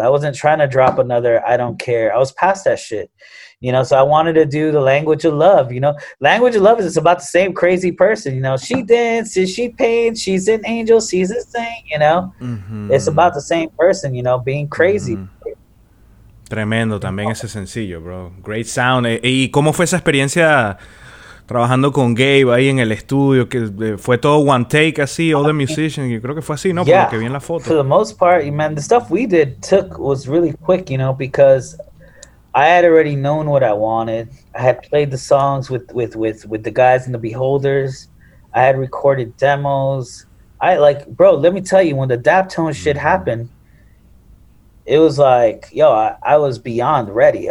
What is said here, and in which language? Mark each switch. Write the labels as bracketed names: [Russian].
[English] I wasn't trying to drop another I don't care. I was past that shit, you know? So I wanted to do the language of love, you know? Language of love is about the same crazy person, you know? She dances, she paints, she's an angel, she's a saint, you know? Mm-hmm. It's about the same person, you know, being crazy. Mm-hmm. [Spanish] Tremendo también ese sencillo, bro. Great sound. ¿Y cómo fue esa experiencia trabajando con Gabe ahí en el estudio? Que fue todo one take así, all the musicians. Yo creo que fue así, ¿no? [English] Yeah. [Spanish] Por lo que vi en la foto. [English] For the most part, man, the stuff we did took was really quick, you know, because I had already known what I wanted. I had played the songs with the guys in the Beholders. I had recorded demos. I like, bro, let me tell you, when the Daptone shit happened, it was like, yo, I was beyond ready.